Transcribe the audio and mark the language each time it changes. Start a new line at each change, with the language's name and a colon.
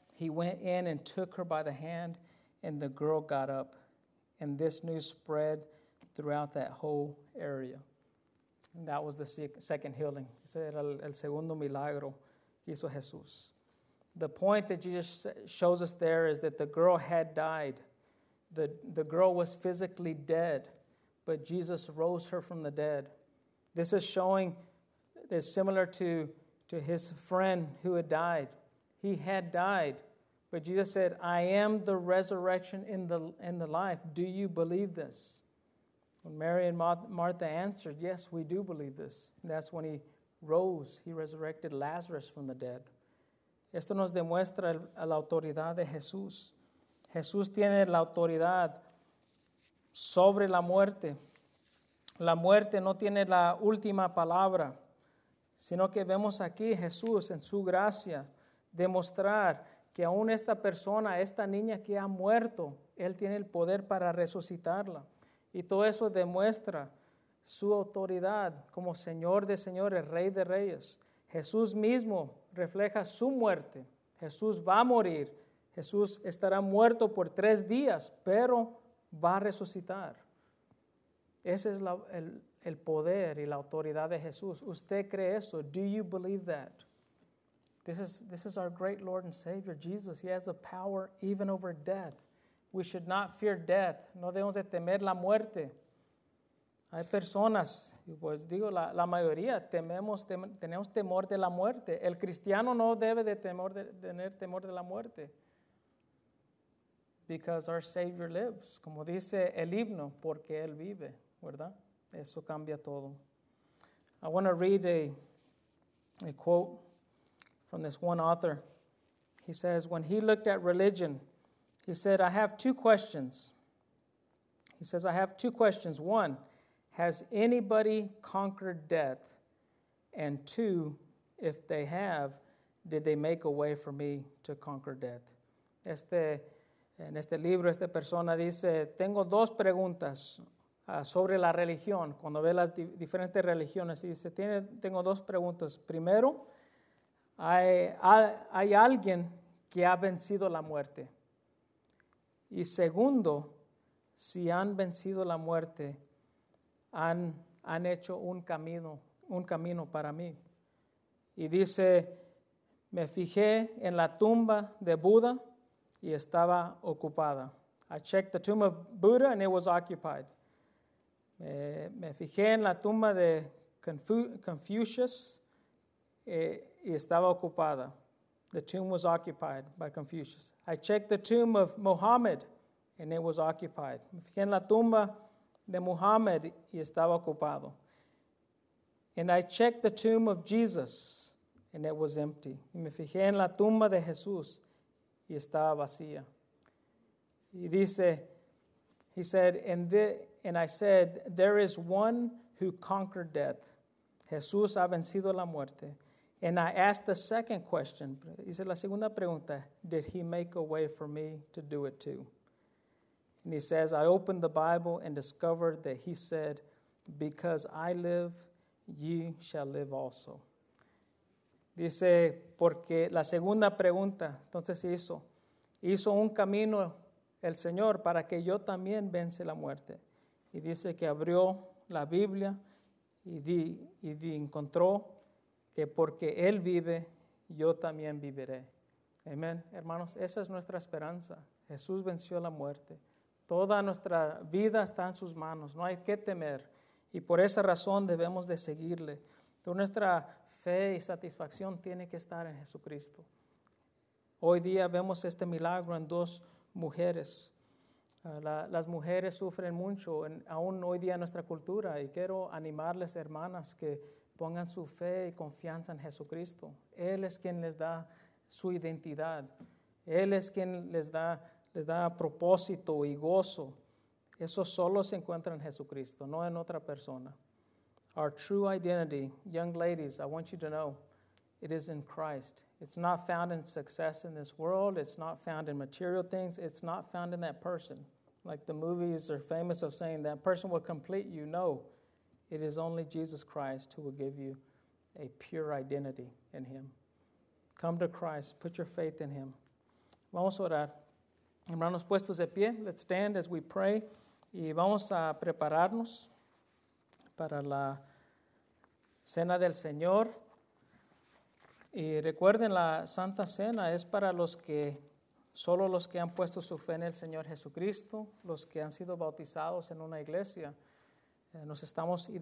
English: He went in and took her by the hand, and the girl got up. And this news spread throughout that whole area. And that was the second healing.
Spanish: Ese era el segundo milagro que hizo Jesús.
English: The point that Jesus shows us there is that the girl had died. The girl was physically dead, but Jesus rose her from the dead. This is showing, is similar to his friend who had died. He had died, but Jesus said, I am the resurrection and the life. Do you believe this? When Mary and Martha answered, yes, we do believe this. And that's when he rose. He resurrected Lazarus from the dead.
Spanish: Esto nos demuestra la autoridad de Jesús. Jesús tiene la autoridad sobre la muerte. La muerte no tiene la última palabra, sino que vemos aquí Jesús en su gracia demostrar que aún esta persona, esta niña que ha muerto, Él tiene el poder para resucitarla. Y todo eso demuestra su autoridad como Señor de señores, Rey de reyes. Jesús mismo refleja su muerte. Jesús va a morir. Jesús estará muerto por 3 días, pero va a resucitar. Ese es el poder y la autoridad de Jesús. ¿Usted cree eso?
English: Do you believe that? This is our great Lord and Savior, Jesus. He has a power even over death. We should not fear death.
Spanish: No debemos de temer la muerte. Hay personas, pues digo, la mayoría, tenemos temor de la muerte. El cristiano no debe de temor de tener temor de la muerte.
English: Because our Savior lives.
Spanish: Como dice el himno, porque Él vive, ¿verdad? Eso cambia todo.
English: I want to read a quote from this one author. He says, when he looked at religion, he said, I have two questions. He says, I have two questions. One, has anybody conquered death? And two, if they have, did they make a way for me to conquer death?
Spanish: En este libro, esta persona dice, tengo dos preguntas sobre la religión. Cuando ve las diferentes religiones, dice, tengo dos preguntas. Primero, ¿hay alguien que ha vencido la muerte? Y segundo, si han vencido la muerte, han hecho un camino para mí. Y dice, me fijé en la tumba de Buda y estaba ocupada.
English: I checked the tomb of Buddha and it was occupied.
Spanish: Me fijé en la tumba de Confucius y estaba ocupada.
English: The tomb was occupied by Confucius. I checked the tomb of Muhammad and it was occupied.
Spanish: Me fijé en la tumba de Muhammad y estaba ocupado.
English: And I checked the tomb of Jesus and it was empty.
Spanish: Y me fijé en la tumba de Jesús y estaba vacía. Y dice,
English: he said, and I said, there is one who conquered death.
Spanish: Jesús ha vencido la muerte.
English: And I asked the second question.
Spanish: Dice la segunda pregunta,
English: did he make a way for me to do it too? And he says, I opened the Bible and discovered that he said, because I live, ye shall live also.
Spanish: Dice, porque la segunda pregunta, entonces hizo un camino el Señor para que yo también vence la muerte. Y dice que abrió la Biblia y encontró que porque Él vive, yo también viviré. Amén. Hermanos, esa es nuestra esperanza. Jesús venció la muerte. Toda nuestra vida está en sus manos. No hay que temer. Y por esa razón debemos de seguirle. Toda nuestra fe y satisfacción tiene que estar en Jesucristo. Hoy día vemos este milagro en dos mujeres. Las mujeres sufren mucho, aún hoy día en nuestra cultura. Y quiero animarles, hermanas, que pongan su fe y confianza en Jesucristo. Él es quien les da su identidad. Él es quien les da propósito y gozo. Eso solo se encuentra en Jesucristo, no en otra persona.
English: Our true identity, young ladies, I want you to know, it is in Christ. It's not found in success in this world. It's not found in material things. It's not found in that person. Like the movies are famous of saying, that person will complete you. No, it is only Jesus Christ who will give you a pure identity in Him. Come to Christ. Put your faith in Him.
Spanish: Vamos a orar. Hermanos, puestos de pie,
English: let's stand as we pray.
Spanish: Y vamos a prepararnos para la cena del Señor. Y recuerden, la Santa Cena es para los que, solo los que han puesto su fe en el Señor Jesucristo, los que han sido bautizados en una iglesia. Nos estamos identificando.